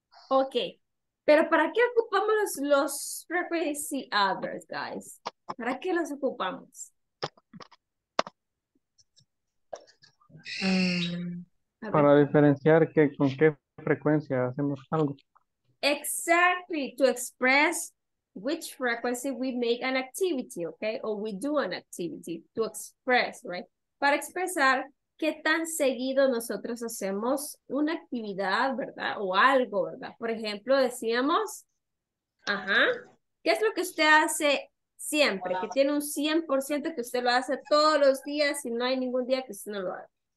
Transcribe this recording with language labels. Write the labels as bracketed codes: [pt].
[es] Okay. Pero ¿para qué ocupamos los frequency adverbs, guys? ¿Para qué los ocupamos? Para diferenciar que con qué frecuencia hacemos algo. [en] Exactly, to express which frequency we make an activity, okay? Or we do an activity, to express, right? [es] Para expresar qué tan seguido nosotros hacemos una actividad, ¿verdad? O algo, ¿verdad? Por ejemplo, decíamos, ajá, ¿qué es lo que usted hace siempre? Hola. Que tiene un 100% que usted lo hace todos los días y no hay ningún día que usted no lo haga.